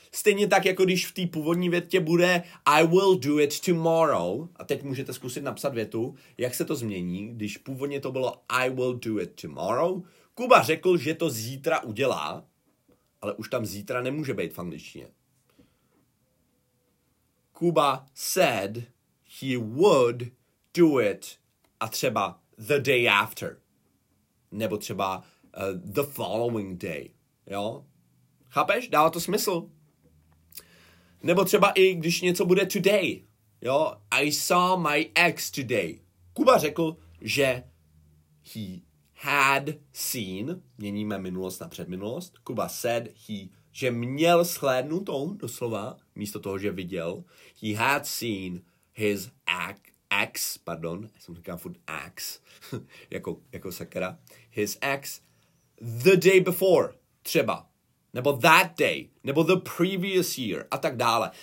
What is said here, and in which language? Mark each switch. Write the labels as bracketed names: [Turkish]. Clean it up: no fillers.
[Czech] Stejně tak, jako když v té původní větě bude [English] I will do it tomorrow, [Czech] a teď můžete zkusit napsat větu, jak se to změní, když původně to bylo I will do it tomorrow, Kuba řekl, že to zítra udělá, ale už tam zítra nemůže být v angličtině. [English] Kuba said he would do it [Czech] a třeba [English] the day after. [Czech] Nebo třeba [English] the following day. [Czech] Jo? Chápeš? Dává to smysl. Nebo třeba i když něco bude today. Jo? [English] I saw my ex today. [Czech] Kuba řekl, že [English] he had seen, [Czech] měníme minulost na předminulost, [English] Kuba said he, [Czech] že měl shlédnutou, doslova, místo toho, že viděl, [English] he had seen his ex, [Czech] pardon, jsem říkal furt ex, jako sakra, [English] his ex the day before, [Czech] třeba, nebo [English] that day, [Czech] nebo [English] the previous year, [Czech] a tak dále.